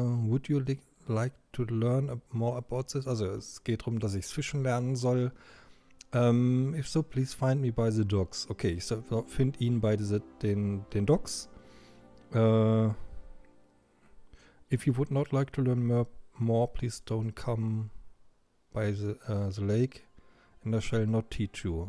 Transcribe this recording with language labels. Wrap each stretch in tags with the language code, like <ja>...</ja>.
<en>Would you like to learn more about this?</en> <de>Also, es geht darum, dass ich fischen lernen soll.</de> <en>If so, please find me by the docks. Okay,</en> <de>ich finde ihn bei den Docks.</de> <en>If you would not like to learn more, please don't come by the lake and I shall not teach you.</en>